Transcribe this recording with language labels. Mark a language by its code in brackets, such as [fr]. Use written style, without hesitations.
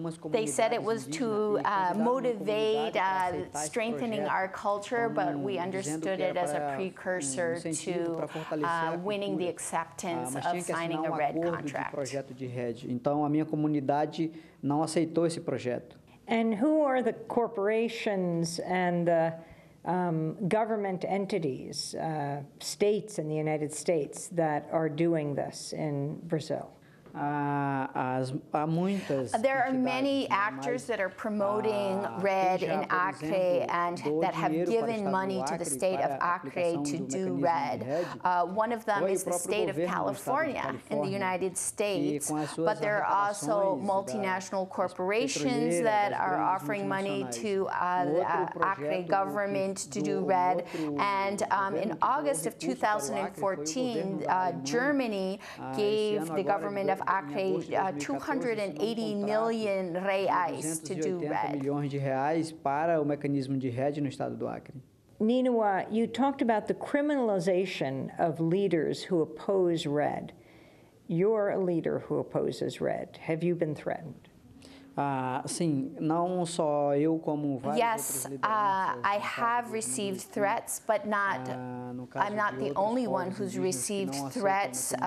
[en] They said it was to motivate strengthening our culture, but we understood it as a precursor to winning the acceptance of signing a red contract. [pt] Então, a minha comunidade não aceitou esse projeto. [en] And who are the corporations and the government entities, states in the United States that are doing this in Brazil? There are many actors that are promoting red in Acre and that have given money to the state of Acre to do red. One of them is the state of California in the United States, but there are also multinational corporations that are offering money to the Acre government to do red. And in August of 2014, Germany gave the government of Acre 280 million reais to do red. [pt] milhões de reais para o mecanismo de rede no estado do Acre. [en] Ninua, you talked about the criminalization of leaders who oppose red. You're a leader who opposes red. Have you been threatened? [pt] Sim, não só eu como vários [en] yes, I have received threats, but not I'm not the only one who's received threats.